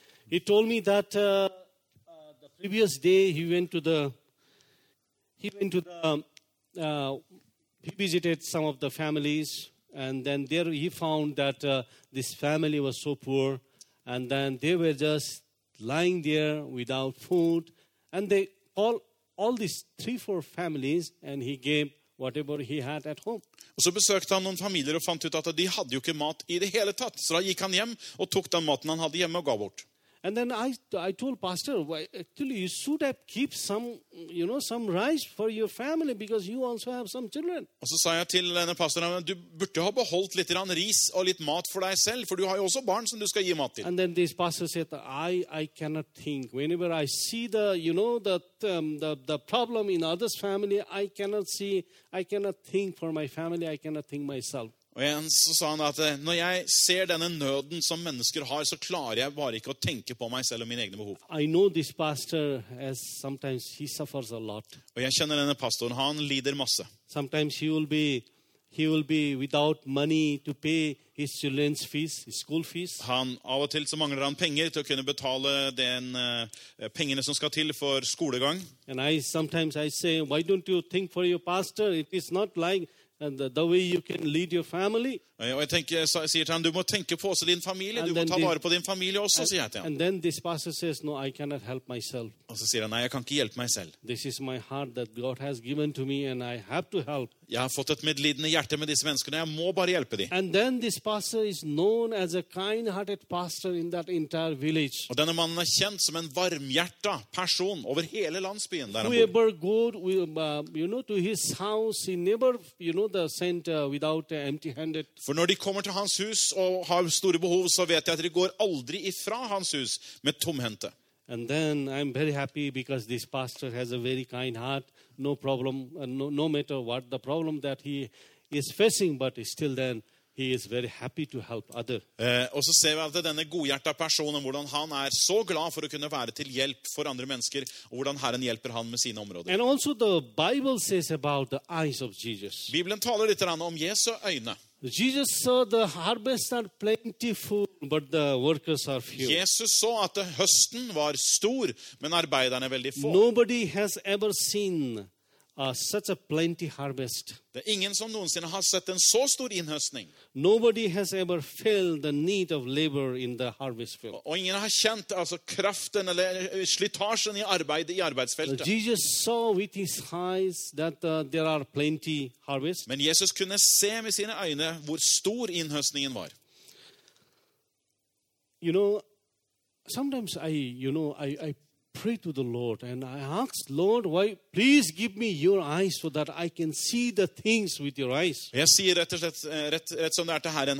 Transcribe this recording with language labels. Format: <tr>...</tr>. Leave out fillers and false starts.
<en>He told me that the previous day he visited some of the families. And then there he found that this family was so poor, and then they were just lying there without food, and they all these three four families, and he gave whatever he had at home.</en> <sv>Och så besökte han några familjer och fann ut att de hade ju inte mat I det hela tatt. Så då gick han hem och tog den maten han hade hemma och gav bort.</sv> <en>And then I told pastor, actually you should have keep some, you know, some rice for your family because you also have some children.</en> <sv>Och så sa jag till den pastorn, du borde ha behållit lite grann ris och lite mat för dig själv för du har ju också barn som du ska ge mat till.</sv> <en>And then this pastor said, I cannot think. Whenever I see the, you know, the problem in others' family, I cannot think for my family, I cannot think myself.</en> <sv>Och så sa han att när jag ser denna nöden som människor har så klarar jag bara inte att tänka på mig själv och mina egna behov.</sv> <en>I know this pastor as sometimes he suffers a lot.</en> <sv>Och jag känner denna pastorn han lider massa.</sv> <en>Sometimes he will be without money to pay his children's fees, his school fees.</en> <sv>Han av och till så manglar han pengar till att kunna betala den pengarna som ska till för skolegång.</sv> <en>And I sometimes say why don't you think for your pastor? It is not like and the way you can lead your family.</en> <sv>Och jag tänker så säger han du måste tänka på så din familj, du måste ta vare på din familj också säger han.</sv> <en>And then this pastor says no I cannot help myself.</en> <sv>Och så säger han nej jag kan inte hjälpa mig själv.</sv> <en>This is my heart that God has given to me and I have to help.</en> <sv>Jag har fått ett medlidande hjärta med dessa människor och jag må bara hjälpa dem.</sv> <en>And then this pastor is known as a kind-hearted pastor in that entire village.</en> <sv>Och denna man är känd som en varmhjärta person över hela landsbyen där han bor.</sv> <en>Whoever goes you know to his house he never you know the sent without empty handed.</en> <sv>För när de kommer till hans hus och har stora behov så vet jag att de går aldrig ifrån hans hus med tomhänta.</sv> <en>And then I'm very happy because this pastor has a very kind heart. No problem, no matter what the problem that he is facing, but still then he is very happy to help other.</en> <sv>Och så ser vi att denna godhjärta personen, hur han är så glad för att kunna vara till hjälp för andra människor, och hur Herren hjälper han med sina områden.</sv> <en>And also the Bible says about the eyes of Jesus.</en> <sv>Bibeln talar lite grann om Jesu ögon.</sv> <en>Jesus saw the harvest are plentiful, but the workers are few.</en> <sv>Jesus såg att hösten var stor, men arbetarna är väldigt få.</sv> <en>Nobody has ever seen such a plenty harvest.</en> <sv>Det ingen som någonsin har sett en så stor inhöstning.</sv> <en>Nobody has ever felt the need of labor in the harvest field.</en> <sv>Och ingen har känt alltså kraften eller slitagen i arbetsfältet.</sv> <en>Jesus saw with his eyes that there are plenty harvest.</en> <sv>Men Jesus kunde se med sina ögon hur stor inhöstningen var.</sv> <en>You know, sometimes I pray to the Lord and I ask Lord, why please give me your eyes so that I can see the things with your eyes.</en> <sv>Jag säger rätt som det är till Herren.</sv>